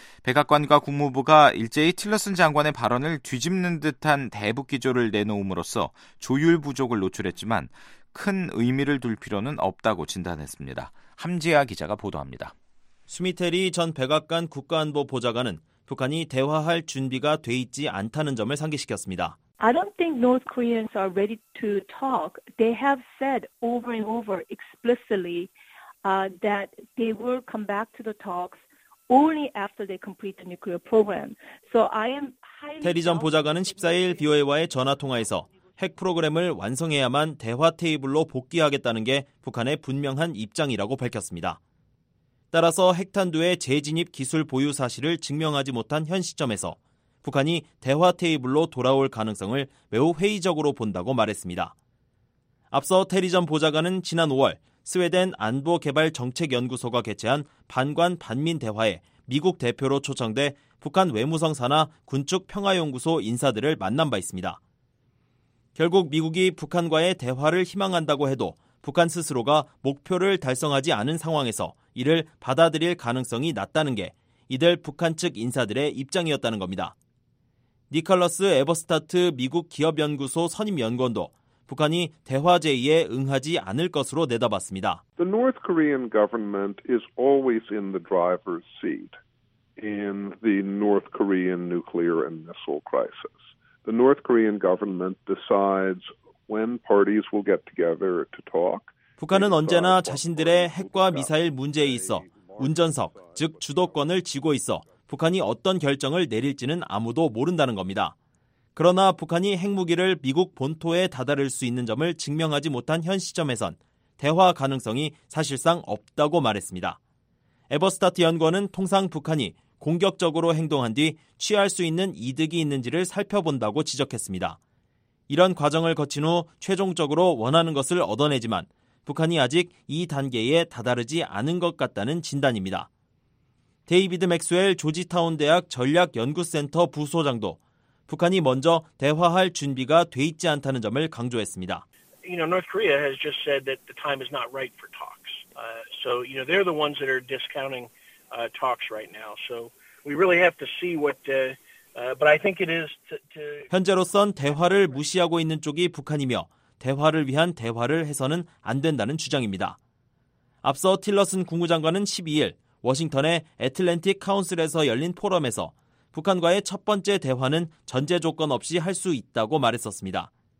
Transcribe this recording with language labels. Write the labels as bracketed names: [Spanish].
[Korean] 백악관과 국무부가 일제히 틸러슨 장관의 발언을 뒤집는 듯한 대북 기조를 내놓음으로써 조율 부족을 노출했지만 큰 의미를 둘 필요는 없다고 진단했습니다. 함지아 기자가 보도합니다. 스미테리 전 백악관 국가안보보좌관은 북한이 대화할 준비가 돼 있지 않다는 점을 상기시켰습니다. [English] I don't think North Koreans are ready to talk. They have said over and over explicitly that they will come back to the talks only after they complete the nuclear program. So I am highly. [Korean] 테리 전 보좌관은 14일 BOA와의 전화 통화에서 핵 프로그램을 완성해야만 대화 테이블로 복귀하겠다는 게 북한의 분명한 입장이라고 밝혔습니다. 따라서 핵탄두의 재진입 기술 보유 사실을 증명하지 못한 현 시점에서 북한이 대화 테이블로 돌아올 가능성을 매우 회의적으로 본다고 말했습니다. 앞서 테리 전 보좌관은 지난 5월 스웨덴 안보개발정책연구소가 개최한 반관 반민 대화에 미국 대표로 초청돼 북한 외무성 산하 군축평화연구소 인사들을 만난 바 있습니다. 결국 미국이 북한과의 대화를 희망한다고 해도 북한 스스로가 목표를 달성하지 않은 상황에서 이를 받아들일 가능성이 낮다는 게 이들 북한 측 인사들의 입장이었다는 겁니다. 니컬러스 에버스타트 미국 기업연구소 선임연구원도 북한이 대화 제의에 응하지 않을 것으로 내다봤습니다. [English] The North Korean government is always in the driver's seat in the North Korean nuclear and missile crisis. The North Korean government decides when parties will get together to talk. [Korean] 북한은 언제나 자신들의 핵과 미사일 문제에 있어 운전석, 즉 주도권을 쥐고 있어 북한이 어떤 결정을 내릴지는 아무도 모른다는 겁니다. 그러나 북한이 핵무기를 미국 본토에 다다를 수 있는 점을 증명하지 못한 현 시점에선 대화 가능성이 사실상 없다고 말했습니다. 에버스타트 연구원은 통상 북한이 공격적으로 행동한 뒤 취할 수 있는 이득이 있는지를 살펴본다고 지적했습니다. 이런 과정을 거친 후 최종적으로 원하는 것을 얻어내지만 북한이 아직 이 단계에 다다르지 않은 것 같다는 진단입니다. 데이비드 맥스웰 조지타운 대학 전략연구센터 부소장도 북한이 먼저 대화할 준비가 돼 있지 않다는 점을 강조했습니다. [English] You know, North Korea has just said that the time is not right for talks. So, you know, they're the ones that are discounting talks right now. So, we really have to see what but I think it is to [Korean] 현재로선 대화를 무시하고 있는 쪽이 북한이며 대화를 위한 대화를 해서는 안 된다는 주장입니다. 앞서 틸러슨 국무장관은 12일 워싱턴의 애틀랜틱 카운슬에서 열린 포럼에서 북한과의 첫 번째 대화는 전제 조건 없이 할 수 있다고 말했었습니다.